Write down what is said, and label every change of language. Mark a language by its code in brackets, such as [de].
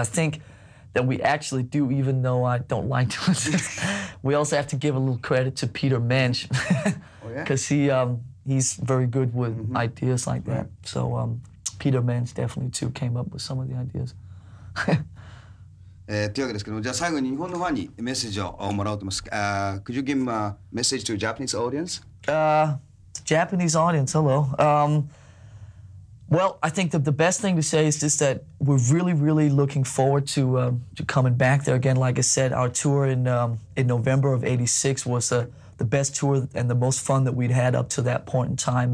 [en] I think that we actually do, even though I don't like to we also have to give a little credit to Peter Mensch. Oh, yeah? Because he's very good with mm-hmm. ideas like that. Right. So Peter Mensch definitely, too, came up with some of the ideas. [ja] というわけですけども、じゃあ最後に日本のファンにメッセージをもらおうと思います。 [en] Could you give him a message to a Japanese audience? Japanese audience, hello. Well, I think that the best thing to say is just that we're really, really looking forward to coming back there again. Like I said, our tour in November of 86 was the best tour and the most fun that we'd had up to that point in time.